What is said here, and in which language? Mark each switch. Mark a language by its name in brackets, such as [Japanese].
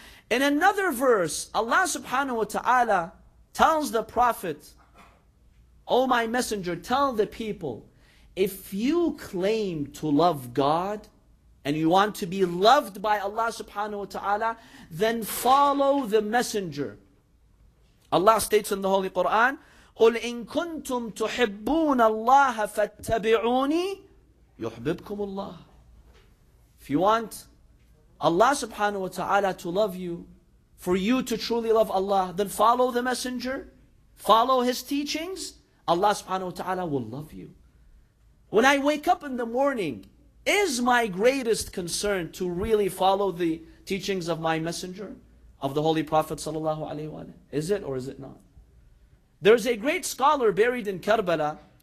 [English] In another verse, Allah subhanahu wa ta'ala tells the Prophet, O my messenger, tell the people, if you claim to love God and you want to be loved by Allah subhanahu wa ta'ala, then follow the messenger. [Arabic] Allah [English] states in the Holy Quran, [Arabic] قُلْ إِن كُنْتُمْ تُحِبُّونَ اللَّهَ فَاتَّبِعُونِي يُحْبِبْكُمُ اللَّهِ. [English] If you want Allah subhanahu wa ta'ala to love you, for you to truly love Allah, then follow the messenger, follow his teachings, Allah subhanahu wa ta'ala will love you. When I wake up in the morning, is my greatest concern to really follow the teachings of my messenger, of the Holy Prophet sallallahu alaihi wasallam? Is it or is it not? There's a great scholar buried in Karbala